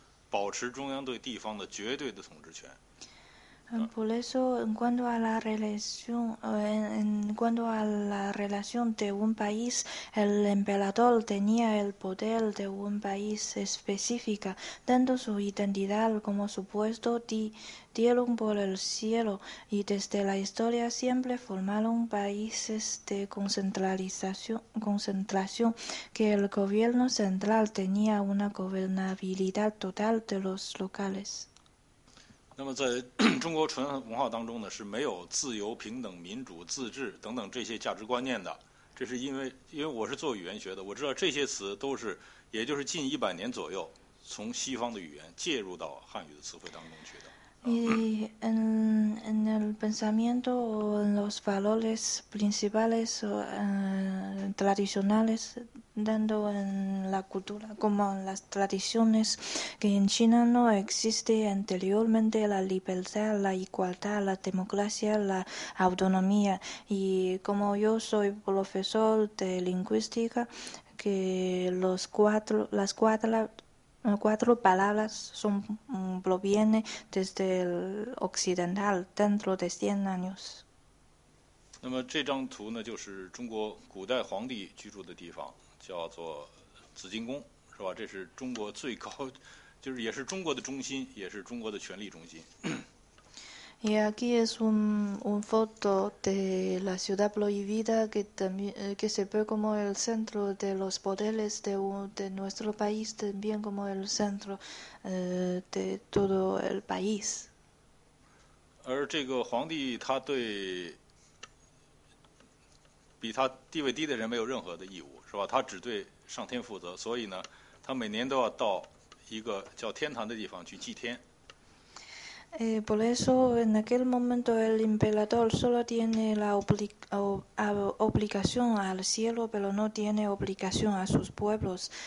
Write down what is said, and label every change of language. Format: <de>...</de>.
<zh>保持中央对地方的绝对的统治权。</zh> <es>Por eso, en cuanto a la relación de un país, el emperador tenía el poder de un país específica, dando su identidad como supuesto dieron por el cielo, y desde la historia siempre formaron países de concentración, que el gobierno central tenía una gobernabilidad total de los locales.</es> <zh>那么在中国传统文化当中呢，是没有自由、平等、民主、自治等等这些价值观念的。这是因为我是做语言学的，我知道这些词都是，也就是近一百年左右从西方的语言介入到汉语的词汇当中去的。</zh> <es>En el pensamiento o en los valores principales o tradicionales, dando en la cultura como en las tradiciones, que en China no existe anteriormente la libertad, la igualdad, la democracia, la autonomía. Y como yo soy profesor de lingüística, que las cuatro palabras son, provienen desde el occidental dentro de 100 años.</es> <zh>那么这张图呢，就是中国古代皇帝居住的地方，叫做紫禁宫，是吧？这是中国最高，就是也是中国的中心，也是中国的权力中心。</zh> <es>Y aquí es un foto de la ciudad prohibida que se ve como el centro de los poderes de nuestro país, también como el centro de todo el país.</es> <zh>而这个皇帝他对比他地位低的人没有任何的义务，是吧？他只对上天负责，所以呢，他每年都要到一个叫天坛的地方去祭天。</zh> <es>Por eso, en aquel momento, el emperador solo tiene la obligación al cielo, pero no tiene obligación a sus pueblos.</es>